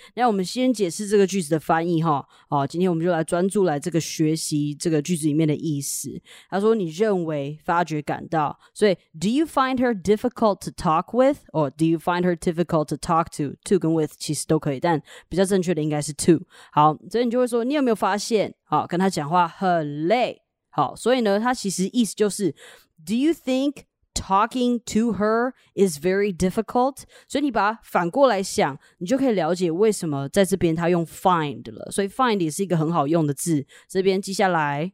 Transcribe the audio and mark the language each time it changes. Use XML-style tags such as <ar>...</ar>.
<zh>那我们先解释这个句子的翻译哈。哦，今天我们就来专注来这个学习这个句子里面的意思。他说你认为、发觉、感到。所以</zh> <en>do you find her difficult to talk with? Or do you find her difficult to talk to?</en> <zh>To 跟 with 其实都可以，但比较正确的应该是 to。好，所以你就会说你有没有发现，好，跟他讲话很累。好，所以呢，他其实意思就是</zh> <en>Do you think talking to her is very difficult?</en> <zh>所以你把它反过来想，你就可以了解为什么在这边他用 find 了。所以 find 也是一个很好用的字，这边记下来。</zh>